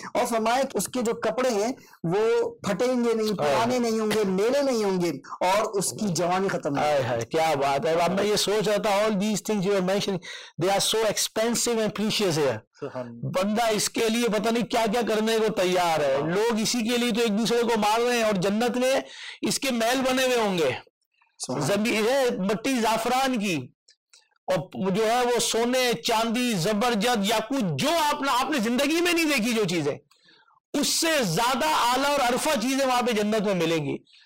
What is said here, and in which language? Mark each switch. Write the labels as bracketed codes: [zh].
[ur] اور فرمایا کہ اس کے جو کپڑے ہیں وہ پھٹیں گے نہیں, پرانے نہیں ہوں گے, میلے نہیں ہوں گے, اور اس کی جوانی ختم ہے. کیا بات ہے, اب میں یہ سوچ رہا تھا, [en] all these things you are mentioning, they are so expensive and precious here. [ur] بندہ اس کے لیے پتہ نہیں کیا کیا کرنے کو تیار ہے. لوگ اسی کے لیے تو ایک دوسرے کو مار رہے ہیں, اور جنت میں اس کے محل بنے ہوئے ہوں گے, زمین ہے مٹی زعفران کی, اور جو ہے وہ سونے چاندی زبرجد یا کچھ جو آپ نے زندگی میں نہیں دیکھی, جو چیزیں اس سے زیادہ اعلیٰ اور عرفہ چیزیں وہاں پہ جنت میں ملیں گی.